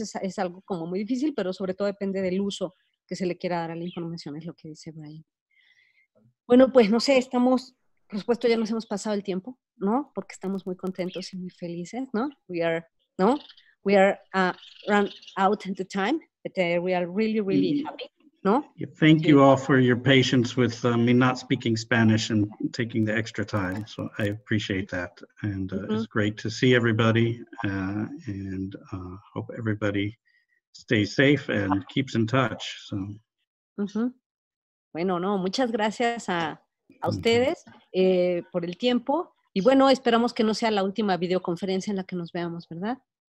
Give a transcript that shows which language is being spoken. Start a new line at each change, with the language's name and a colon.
Spanish: Es algo como muy difícil, pero sobre todo depende del uso que se le quiera dar a la información, es lo que dice Brian. Bueno, pues no sé, estamos, por supuesto, ya nos hemos pasado el tiempo, ¿no? Porque estamos muy contentos y muy felices, ¿no?
English: We are run out of the time, but we are really, really happy, ¿no? Thank you all for your patience with me not speaking Spanish and taking the extra time. So I appreciate that. And it's great to see everybody. And hope everybody stays safe and keeps in touch. So.
Spanish: Bueno, no, muchas gracias a ustedes por el tiempo. Y bueno, esperamos que no sea la última videoconferencia en la que nos veamos, ¿verdad?